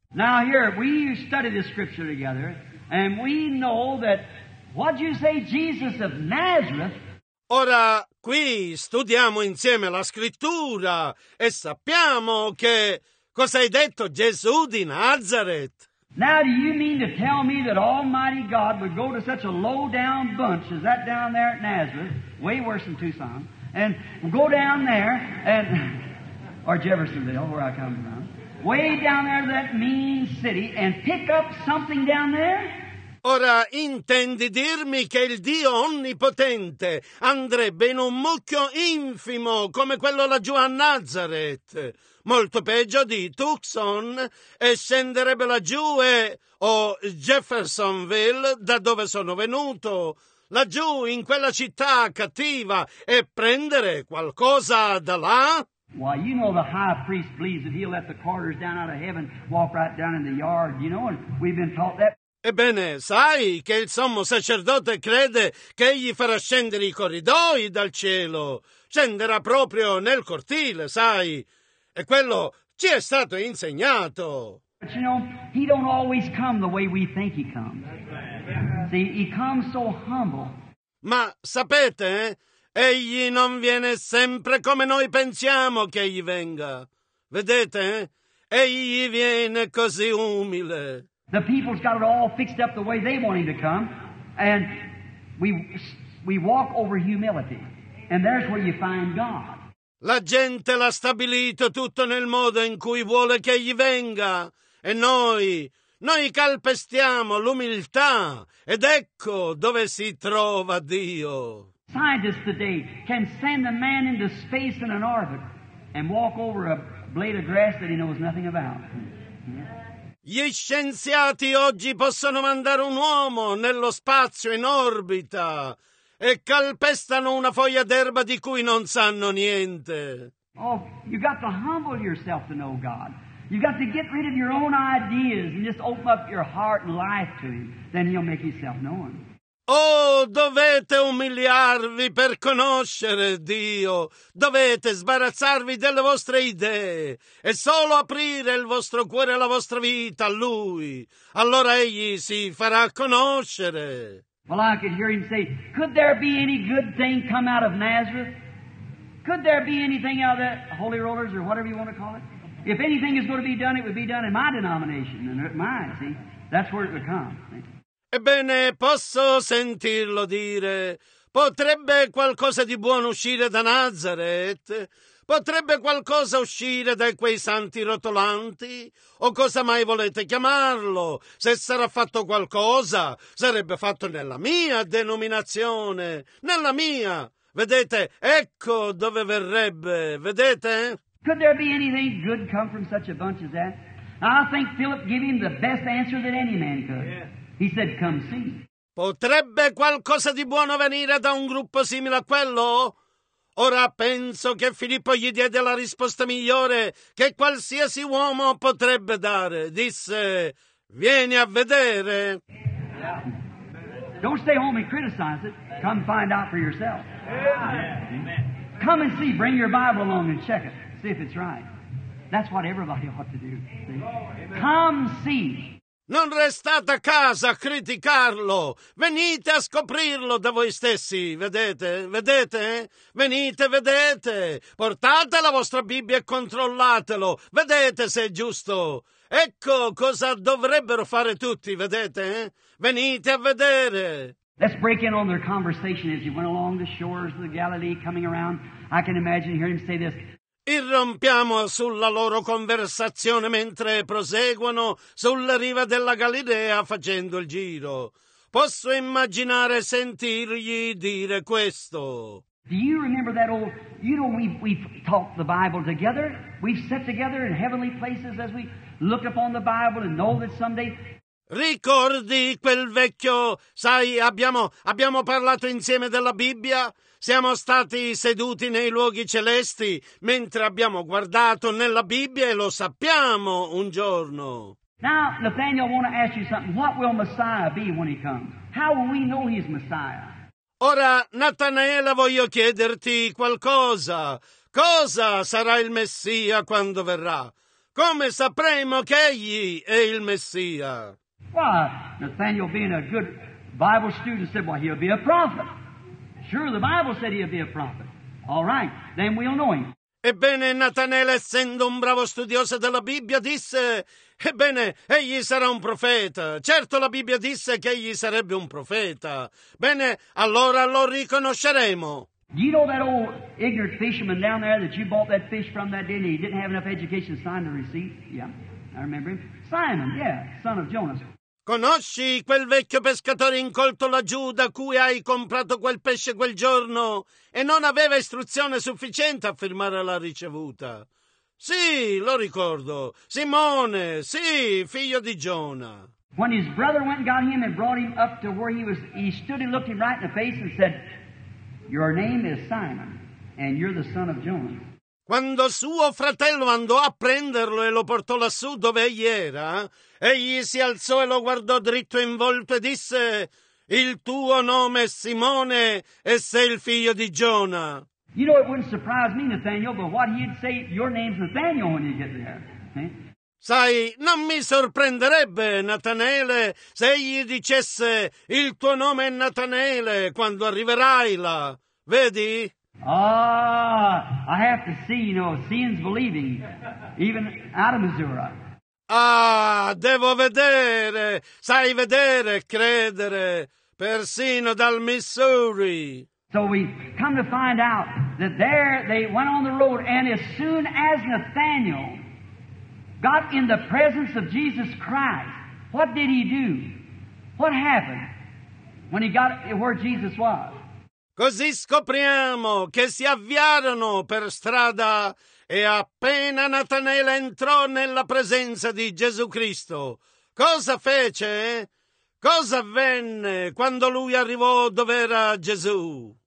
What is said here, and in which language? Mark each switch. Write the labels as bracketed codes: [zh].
[en] Now here, we study the scripture together, and we know that, what you say, Jesus of Nazareth. [it] Ora qui studiamo insieme la scrittura e sappiamo che cosa hai detto, Gesù di Nazareth. [en] Now do you mean to tell me that Almighty God would go to such a low down bunch as that down there at Nazareth, way worse than Tucson, and go down there and or Jeffersonville, where I come from, way down there to that mean city and pick up something down there? [it] Ora intendi dirmi che il Dio Onnipotente andrebbe in un mucchio infimo come quello laggiù a Nazareth, molto peggio di Tucson, e scenderebbe laggiù e... o Jeffersonville, da dove sono venuto, laggiù in quella città cattiva, e prendere qualcosa da là? [en] Well, you know the high priest believes that he'll let the carters down out of heaven walk right down in the yard, you know, and we've been taught that. [it] Ebbene, sai che il sommo sacerdote crede che egli farà scendere i corridoi dal cielo. Scenderà proprio nel cortile, sai. E quello ci è stato insegnato. [en] But you know, he don't always come the way we think he comes. See, he comes so humble. [it] Ma sapete, egli non viene sempre come noi pensiamo che egli venga. Vedete, egli viene così umile. [en] The people's got it all fixed up the way they want him to come, and we walk over humility, and there's where you find God. [it] La gente l'ha stabilito tutto nel modo in cui vuole che gli venga, e noi calpestiamo l'umiltà, ed ecco dove si trova Dio. [en] Scientists today can send a man into space in an orbit and walk over a blade of grass that he knows nothing about. [it] Gli scienziati oggi possono mandare un uomo nello spazio in orbita e calpestano una foglia d'erba di cui non sanno niente. [en] Oh, you got to humble yourself to know God. You got to get rid of your own ideas and just open up your heart and life to him. Then he'll make himself known. [it] Oh, dovete umiliarvi per conoscere Dio, dovete sbarazzarvi delle vostre idee e solo aprire il vostro cuore e la vostra vita a Lui. Allora Egli si farà conoscere. [en] Well, I could hear him say, could there be any good thing come out of Nazareth? Could there be anything out of that Holy Rollers or whatever you want to call it? If anything is going to be done, it would be done in my denomination and at mine, see? That's where it would come, see? [it] Ebbene, posso sentirlo dire, potrebbe qualcosa di buono uscire da Nazareth? Potrebbe qualcosa uscire da quei santi rotolanti? O cosa mai volete chiamarlo? Se sarà fatto qualcosa, sarebbe fatto nella mia denominazione, nella mia. Vedete, ecco dove verrebbe, vedete? [en] Could there be anything good come from such a bunch as that? I think Philip gave him the best answer that any man could. Yeah. He said, come see. [it] Potrebbe qualcosa di buono venire da un gruppo simile a quello? Ora penso che Filippo gli diede la risposta migliore che qualsiasi uomo potrebbe dare. Disse, vieni a vedere. [en] Don't stay home and criticize it. Come find out for yourself. Amen. Come and see. Bring your Bible along and check it. See if it's right. That's what everybody ought to do. See? Come see. [it] Non restate a casa a criticarlo, venite a scoprirlo da voi stessi, vedete, vedete, venite, vedete, portate la vostra Bibbia e controllatelo, vedete se è giusto. Ecco cosa dovrebbero fare tutti, vedete, venite a vedere. [en] Let's break in on their conversation as you went along the shores of the Galilee coming around. I can imagine hearing him say this. [it] Irrompiamo sulla loro conversazione mentre proseguono sulla riva della Galilea facendo il giro. Posso immaginare sentirgli dire questo. [en] Do you remember that old, you know, we've talked the Bible together. We've sat together in heavenly places as we look upon the Bible and know that someday. [it] Ricordi quel vecchio, sai, abbiamo parlato insieme della Bibbia? Siamo stati seduti nei luoghi celesti mentre abbiamo guardato nella Bibbia e lo sappiamo un giorno. [en] Now, Nathaniel, I want to ask you something. What will Messiah be when he comes? How will we know he's Messiah? [it] Ora, Natanaela, voglio chiederti qualcosa. Cosa sarà il Messia quando verrà? Come sapremo che egli è il Messia? [en] Well, Nathaniel, being a good Bible student, said, well, he'll be a prophet. Sure, the Bible said he'd be a prophet. All right, then we'll know him. [it] Ebbene, Natanael, essendo un bravo studioso della Bibbia, disse, ebbene, egli sarà un profeta. Certo, la Bibbia disse che egli sarebbe un profeta. Bene, allora lo riconosceremo. [en] You know that old ignorant fisherman down there that you bought that fish from that day and he didn't have enough education to sign the receipt? Yeah, I remember him. Simon, yeah, son of Jonas. [it] Conosci quel vecchio pescatore incolto laggiù da cui hai comprato quel pesce quel giorno e non aveva istruzione sufficiente a firmare la ricevuta? Sì, lo ricordo. Simone, sì, figlio di Giona. [en] When his brother went and got him and brought him up to where he was, he stood and looked him right in the face and said, your name is Simon and you're the son of Jonah. [it] Quando suo fratello andò a prenderlo e lo portò lassù dove egli era, egli si alzò e lo guardò dritto in volto e disse, il tuo nome è Simone e sei il figlio di Giona. [en] You know, it wouldn't surprise me, Nathaniel, but what he'd say, your name's Nathaniel when you get there. [it] Sai, non mi sorprenderebbe, Natanaele, se egli dicesse, il tuo nome è Natanaele quando arriverai là. Vedi? [en] Ah, I have to see, you know, seeing's believing, even out of Missouri. [it] Ah, devo vedere, sai vedere, credere, persino dal Missouri. [en] So we come to find out that there they went on the road, and as soon as Nathanael got in the presence of Jesus Christ, what did he do? What happened when he got where Jesus was? [it] Così scopriamo che si avviarono per strada e appena Natanaele entrò nella presenza di Gesù Cristo, cosa fece? Cosa avvenne quando lui arrivò dove era Gesù?